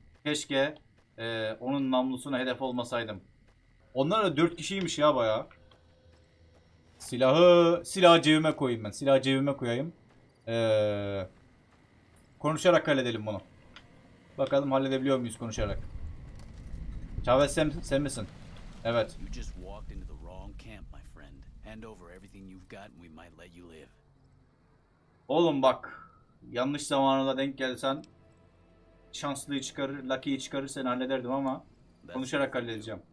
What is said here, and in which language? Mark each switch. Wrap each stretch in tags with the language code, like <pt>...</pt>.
<tr>Keşke onun namlusuna hedef olmasaydım. Onlar da 4 kişiymiş ya bayağı. Silahı cebime koyayım ben. Silahı cebime koyayım. Konuşarak halledelim bunu. Bakalım halledebiliyor muyuz konuşarak. Chavez sen misin? Evet.</tr> <en>You just walked into the wrong camp, my friend. Hand over everything you've got and we might let you live.</en> <tr>Oğlum bak. Yanlış zamanına denk gelsen şanslıyı çıkarır, lucky'yi çıkarır seni hallederdim ama konuşarak halledeceğim.</tr>